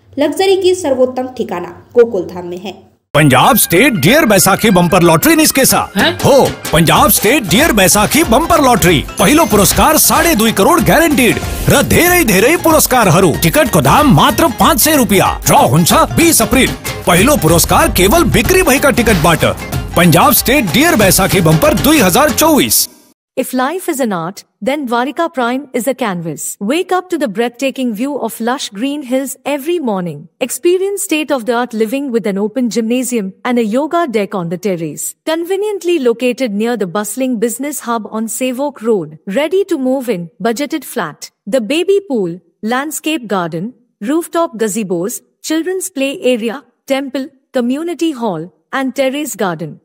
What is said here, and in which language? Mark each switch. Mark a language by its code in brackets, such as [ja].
[hi] Luxury की सर्वोत्तम ठिकाना गोकुल धाम में है। [ne] Punjab state dear Baisakhi bumper lottery निसके साथ हो, Punjab state dear Baisakhi bumper lottery पहलो पुरस्कार 2.5 करोड़ गारंटीड र धेरै पुरस्कार हरू। टिकट को दाम मात्र 500 रुपया, ड्रॉ हुन्छ 20 अप्रैल। पहलो पुरस्कार केवल बिक्री भएका टिकट बाट। Punjab state dear Baisakhi bumper 2024। [en] If life is an art, then Dwarika Prime is a canvas. Wake up to the breathtaking view of lush green hills every morning. Experience state-of-the-art living with an open gymnasium and a yoga deck on the terrace. Conveniently located near the bustling business hub on Sevok Road. Ready to move in, budgeted flat. The baby pool, landscape garden, rooftop gazebos, children's play area, temple, community hall, and terrace garden.